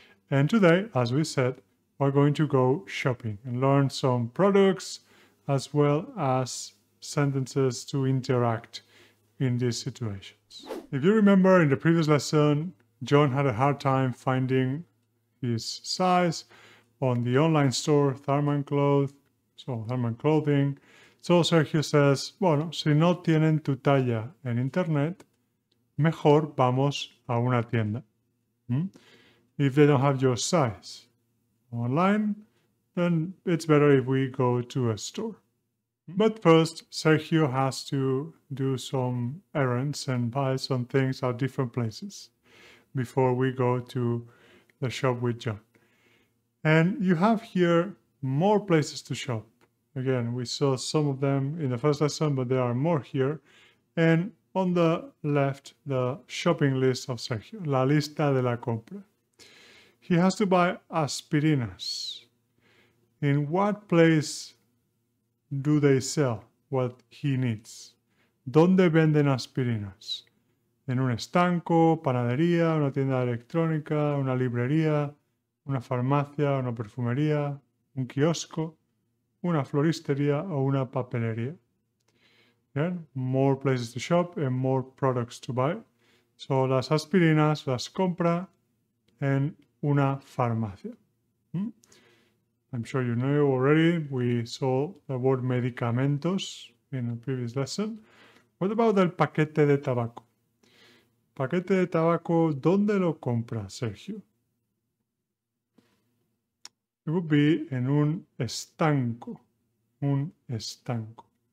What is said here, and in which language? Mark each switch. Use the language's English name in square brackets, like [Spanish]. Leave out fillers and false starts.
[English] And today, as we said, we're going to go shopping and learn some products as well as sentences to interact in these situations. If you remember in the previous lesson, John had a hard time finding his size on the online store Thurman Clothing. So Sergio says, [Spanish] bueno, si no tienen tu talla en internet, mejor vamos a una tienda. [English] If they don't have your size online, then it's better if we go to a store. But first, Sergio has to do some errands and buy some things at different places before we go to the shop with John. And you have here more places to shop. Again, we saw some of them in the first lesson, but there are more here. And on the left, the shopping list of Sergio, [Spanish] la lista de la compra. [English] He has to buy aspirinas. In what place do they sell what he needs? [Spanish] ¿Dónde venden aspirinas? En un estanco, panadería, una tienda electrónica, una librería, una farmacia, una perfumería, un kiosco, una floristería o una papelería. [English] Again, more places to shop and more products to buy. [Spanish] So las aspirinas las compra en una farmacia. [English] I'm sure you know already, we saw the word medicamentos in a previous lesson. What about [Spanish] el paquete de tabaco? Paquete de tabaco, ¿dónde lo compra, Sergio? [English] It would be [Spanish] en un estanco. Un estanco.